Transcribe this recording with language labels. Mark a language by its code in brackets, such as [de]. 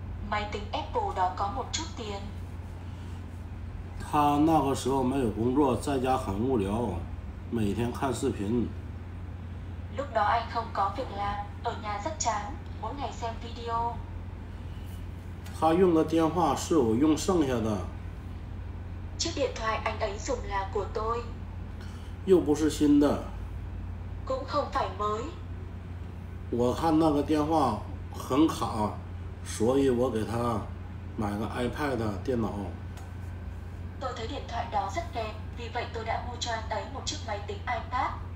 [vi] Máy tính Apple đó có một chút tiền。 [zh] 他那个时候没有工作，在家很无聊，每天看视频。 [vi] Lúc đó anh không có việc làm, ở nhà rất chán, mỗi ngày xem video. [zh] 他用的电话是我用剩下的。 [vi] Chiếc điện thoại anh ấy dùng là của tôi. [zh] 又不是新的。 [vi] Cũng không phải mới. [zh] 我看那个电话很卡，所以我给他买个iPad电脑。 [vi] Tôi thấy điện thoại đó rất đẹp, vì vậy tôi đã mua cho anh ấy một chiếc máy tính iPad.